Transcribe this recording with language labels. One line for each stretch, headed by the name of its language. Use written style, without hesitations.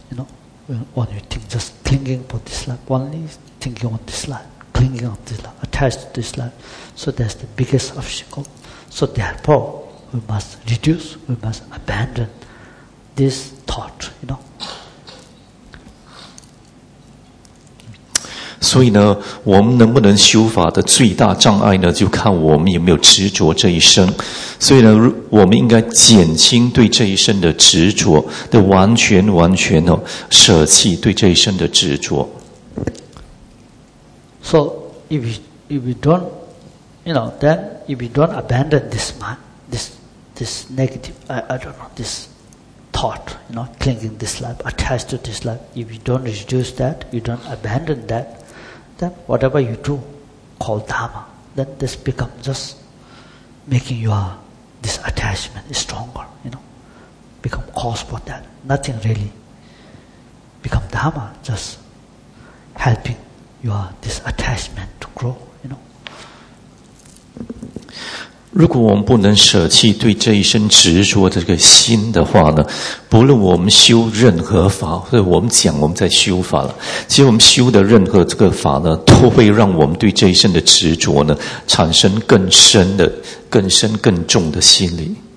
English: You know, when you think just clinging to this life, only thinking on this life, clinging on this life, attached to this life. So that's the biggest obstacle. So therefore. We must reduce, we must abandon this thought, you know.
Chinese: 所以呢，我们能不能修法的最大障碍呢，就看我们有没有执着这一生。所以呢，我们应该减轻对这一生的执着，得完全哦，舍弃对这一生的执着。
English: So, if we don't, you know, then if we don't abandon this mind, this negative, I don't know, this thought, you know, clinging this life, attached to this life, if you don't reduce that, you don't abandon that, then whatever you do, called Dharma, then this becomes just making your this attachment stronger, you know, become cause for that. Nothing really become Dharma, just helping your this attachment to grow, you know.
Chinese: 如果我们不能舍弃对这一生执着的这个心的话呢，不论我们修任何法，所以我们讲我们在修法了，其实我们修的任何这个法呢，都会让我们对这一生的执着呢产生更深的更深更重的心理。